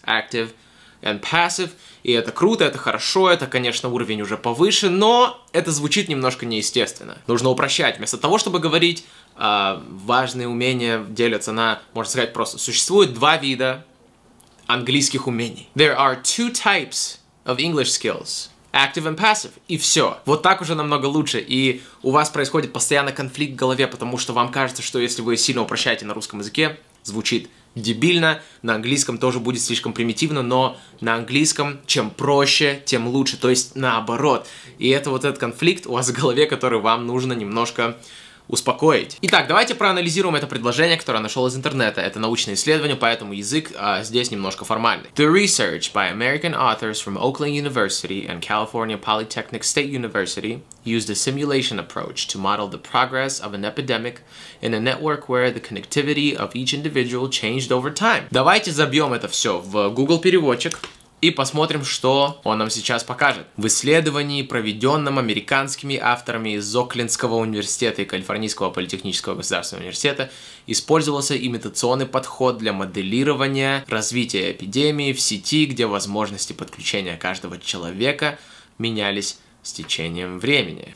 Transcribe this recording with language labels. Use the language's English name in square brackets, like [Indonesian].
[English] Active and passive. [Russian] И это круто, это хорошо, это, конечно, уровень уже повыше, но это звучит немножко неестественно. Нужно упрощать. Вместо того, чтобы говорить, важные умения делятся на, можно сказать, просто существует два вида английских умений. [English] There are two types of English skills, active and passive, [Russian] и все. Вот так уже намного лучше, и у вас происходит постоянно конфликт в голове, потому что вам кажется, что если вы сильно упрощаете на русском языке, звучит дебильно, на английском тоже будет слишком примитивно, но на английском чем проще, тем лучше, то есть наоборот. И это вот этот конфликт у вас в голове, который вам нужно немножко успокоить. Итак, давайте проанализируем это предложение, которое я нашел из интернета. Это научное исследование, поэтому язык здесь немножко формальный. [English] The research by American authors from Oakland University and California Polytechnic State University used a simulation approach to model the progress of an epidemic in a network where the connectivity of each individual changed over time. [Russian] Давайте забьем это все в Google переводчик и посмотрим, что он нам сейчас покажет. В исследовании, проведенном американскими авторами из Оклендского университета и Калифорнийского политехнического государственного университета, использовался имитационный подход для моделирования развития эпидемии в сети, где возможности подключения каждого человека менялись с течением времени.